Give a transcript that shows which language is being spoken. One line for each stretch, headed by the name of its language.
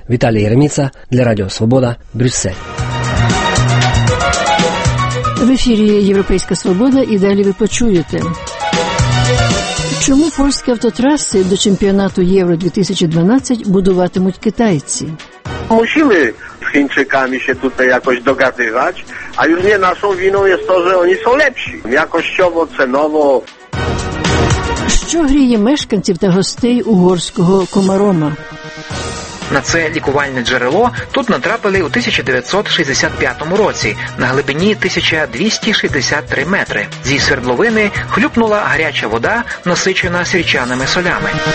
Ukrainian: Віталій Єреміця для Радіо Свобода, Брюссель. В ефірі «Європейська свобода» і далі ви почуєте. Чому польські автотраси до чемпіонату Євро-2012 будуватимуть китайці?
Polish: Musimy z Chińczykami się tutaj jakoś dogadywać, a już nie naszą winą jest to, że oni są lepsi jakościowo, cenowo.
Ukrainian: Що гріє мешканців та гостей угорського Комарома? На це лікувальне джерело тут натрапили у 1965 році на глибині 1263 метри. Зі свердловини хлюпнула гаряча вода, насичена сірчаними солями.